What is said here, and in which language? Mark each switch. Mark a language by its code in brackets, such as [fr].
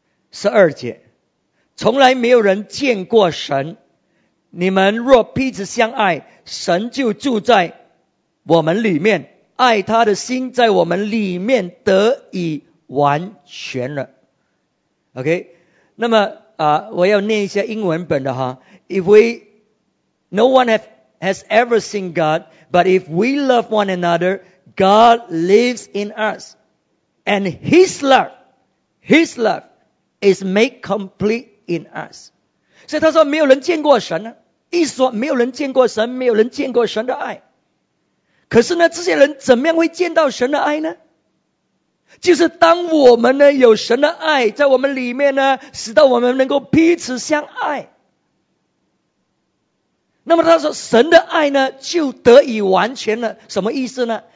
[zh] 十二节，从来没有人见过神，你们若彼此相爱，神就住在我们里面，爱他的心在我们里面得以完全了。 OK， 那么我要念一下英文本的哈。 [en] If we no one has ever seen God, but if we love one another, God lives in us, and his love is made complete in us. [zh] 所以他说没有人见过神，意思说没有人见过神，没有人见过神的爱。可是呢，这些人怎么样会见到神的爱呢？就是当我们呢有神的爱在我们里面呢，使到我们能够彼此相爱，那么他说神的爱呢就得以完全了。什么意思呢？